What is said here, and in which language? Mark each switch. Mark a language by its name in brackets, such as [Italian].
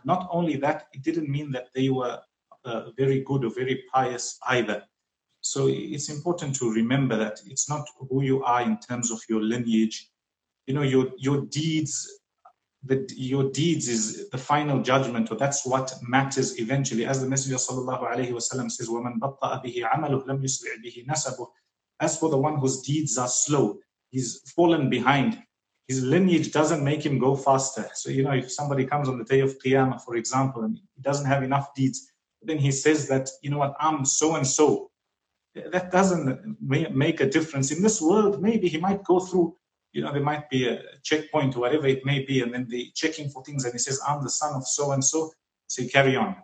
[English] Not only that, it didn't mean that they were very good or very pious either. So it's important to remember that it's not who you are in terms of your lineage. You know, your deeds that your deeds is the final judgment, or that's what matters eventually. As the Messenger sallallahu alayhi wasallam says, [Arabic] وَمَنْ بَطَّأَ بِهِ عَمَلُهُ لَمْ يُسْرِعْ بِهِ نَسَبُهُ. [English] As for the one whose deeds are slow, he's fallen behind, his lineage doesn't make him go faster. So, you know, if somebody comes on the day of Qiyamah, for example, and he doesn't have enough deeds, then he says that, you know what, I'm so-and-so. That doesn't make a difference. In this world, maybe he might go through, you know, there might be a checkpoint or whatever it may be, and then they checking for things, and he says, I'm the son of so-and-so. So you carry on.